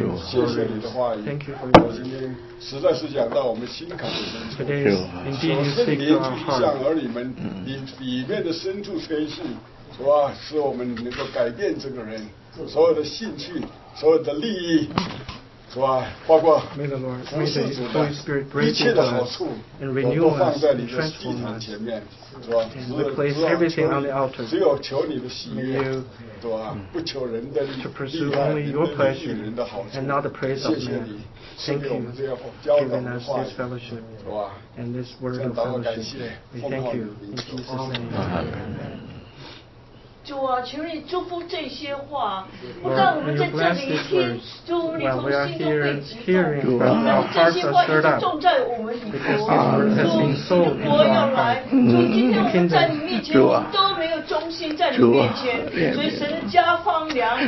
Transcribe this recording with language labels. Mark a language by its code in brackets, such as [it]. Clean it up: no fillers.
[zh] 谢谢你的话语，我今天实在是讲到我们心坎里面，从圣灵就向儿女们里面的深处吹气，是吧，使我们能够改变这个人所有的兴趣，所有的利益，主啊，包括 [en] May the Lord, [zh] 服侍主的 [en] Holy Spirit bring [zh] 一切的好处 [en] and renew us, [zh] 都放在你的祭坛前面，主啊， [en] we place everything on the altar, [zh] 只有求你的喜悦，主啊，不求人的利益， [en] to pursue only your pleasure and not the praise of man. Thank you for giving us this fellowship and this word of fellowship. We thank you in Jesus' name. Amen. Amen. [zh] 主啊，求你祝福这些话，不但我们在这里听，主，你从心中被激动，主，这些话已经种在我们里头，主，你的国要来，主，今天我们在你面前，我们都没有忠心在你面前，所以神的家荒凉，